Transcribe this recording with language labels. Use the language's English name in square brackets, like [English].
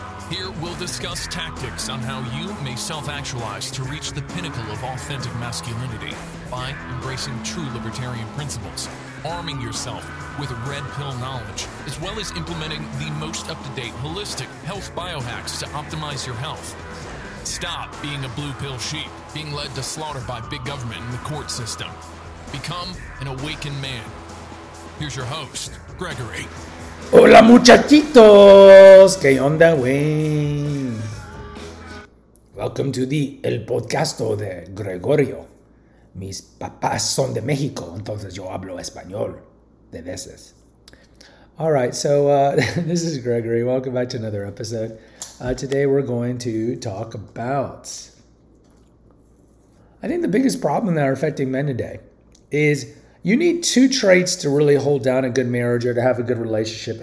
[English] Here, we'll discuss tactics on how you may self-actualize to reach the pinnacle of authentic masculinity by embracing true libertarian principles, arming yourself with red pill knowledge, as well as implementing the most up-to-date holistic health biohacks to optimize your health. Stop being a blue pill sheep, being led to slaughter by big government and the court system. Become an awakened man. Here's your host, Gregory. [Spanish] Hola muchachitos, ¿qué onda, güey? [English] Welcome to the [Spanish] El Podcasto de Gregorio. Mis papás son de México, entonces yo hablo español de veces. [English] All right, so this is Gregory. Welcome back to another episode. Today we're going to talk about, I think the biggest problem that are affecting men today is you need two traits to really hold down a good marriage or to have a good relationship.